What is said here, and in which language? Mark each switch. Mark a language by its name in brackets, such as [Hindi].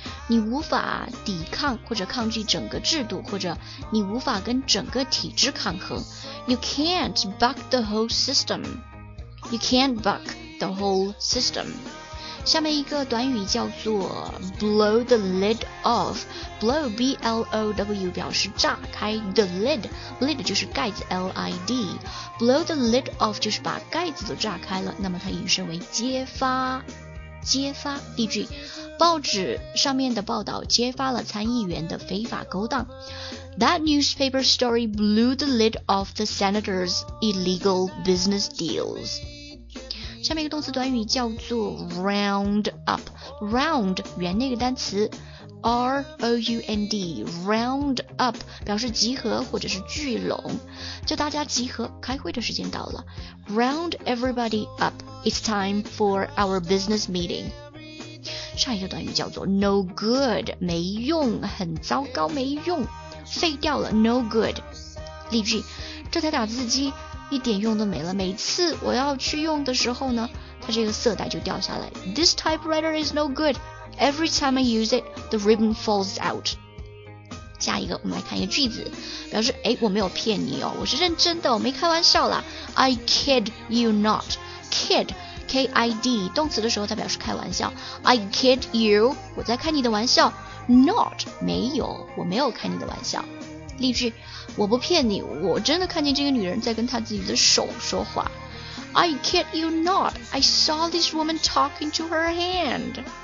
[Chinese] 你无法抵抗或者抗拒整个制度，或者你无法跟整个体制抗衡。 [English] You can't buck the whole system. You can't buck the whole system. [Chinese] 下面一个短语叫做 blow the lid off， blow B-L-O-W 表示炸开， the lid， lid 就是盖子 L-I-D， blow the lid off 就是把盖子都炸开了，那么它引申为揭发，揭发。例句，报纸上面的报道揭发了参议员的非法勾当。 [English] That newspaper story blew the lid off the senator's illegal business deals. [Chinese] 下面一个动词短语叫做 round up. Round, 原那个单词 R-O-U-N-D, round up, 表示集合或者是聚拢。叫大家集合，开会的时间到了。 [English] Round everybody up, it's time for our business meeting. [Chinese] 下一个短语叫做 no good， 没用，很糟糕，没用，废掉了， no good。例句，这台打字机一点用都没了，每次我要去用的时候呢，它这个色带就掉下来。 [English] This typewriter is no good. Every time I use it, the ribbon falls out. [Chinese] 下一个我们来看一个句子，表示诶，我没有骗你哦，我是认真的，我没开玩笑啦。 [English] I kid you not. [Chinese] KidKID 动词的时候它表示开玩笑。 [English] I kid you， [Chinese] 我在开你的玩笑。Not， 没有，我没有开你的玩笑。例句，我不骗你，我真的看见这个女人在跟她自己的手说话。 [English] I kid you not， I saw this woman talking to her hand。